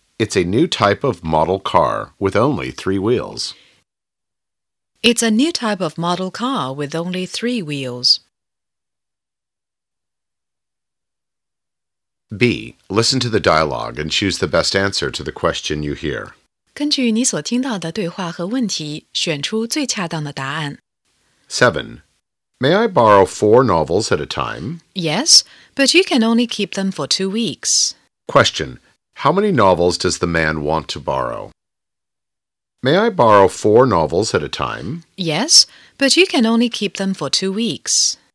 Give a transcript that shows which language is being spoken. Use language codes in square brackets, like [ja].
[en] It's a new type of model car with only 3 wheels. It's a new type of model car with only 3 wheels. B. Listen to the dialogue and choose the best answer to the question you hear. [zh] 根据你所听到的对话和问题，选出最恰当的答案。 7. [en] May I borrow 4 novels at a time? Yes, but you can only keep them for 2 weeks. Question. How many novels does the man want to borrow? May I borrow 4 novels at a time? Yes, but you can only keep them for 2 weeks.